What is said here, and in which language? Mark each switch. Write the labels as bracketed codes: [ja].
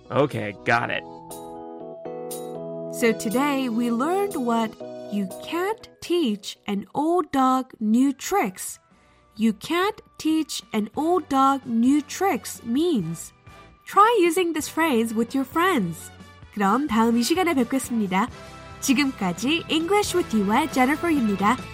[en] Okay, got it. So today we learned what You can't teach an old dog new tricks. You can't teach an old dog new tricks means. Try using this phrase with your friends. [ko] 그럼 다음 이 시간에 뵙겠습니다. 지금까지 English with you의 Jennifer입니다.